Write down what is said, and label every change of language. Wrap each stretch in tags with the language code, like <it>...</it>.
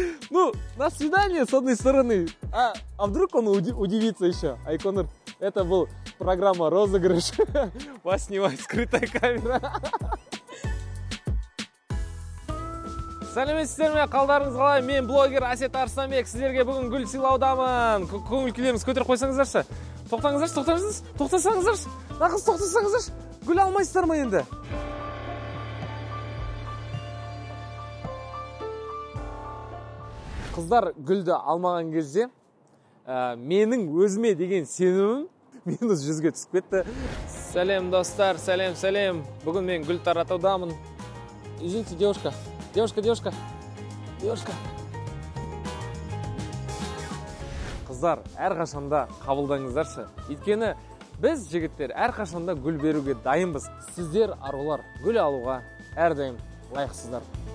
<ru>Ну, на свидание с одной стороны. А вдруг он удивится еще? Айконер, это был программа «Розыгрыш». Вас снимает скрытая камера.</ru> <kk>Сәлеметсіздер ме, қалдарыңыз қалай? Мен блогер Әсет Арсанбек, сіздерге бүгін гүл сыйлаудамын. Көңіл күйлеріңіз көтеріп қойсаңыздаршы. Тоқтаңыздаршы, тоқтаңыздаршы, тоқтасаңыздаршы. Нағыз тоқтасаңыздаршы. Гүл алмайсыздар ма енді? Қыздар гүлді алмаған кезде, менің өзіме деген сенімім минус 100-ге түсіп кетті. Сәлем, достар, сәлем, сәлем. Бүгін мен гүл таратудамын.</kk> <ru>Извините, девушка. Девушка, девушка, девушка.</ru> <kk>Қыздар, әрқашанда қабылдаңыздаршы. Өйткені біз, жігіттер, әрқашанда гүл беруге дайынбыз. Сіздер, арулар, гүл алуға әрдайым лайықсыздар.</kk>